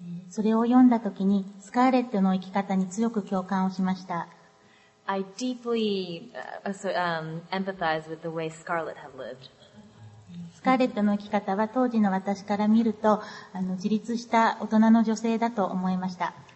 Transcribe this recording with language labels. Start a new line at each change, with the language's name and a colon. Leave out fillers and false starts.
Japanese: それを読んだ時にスカーレットの生き方に強く共感をしました。
English: I deeply empathize with the way Scarlett had lived.
Japanese: スカーレットの生き方は当時の私から見ると、自立した大人の女性だと思いました。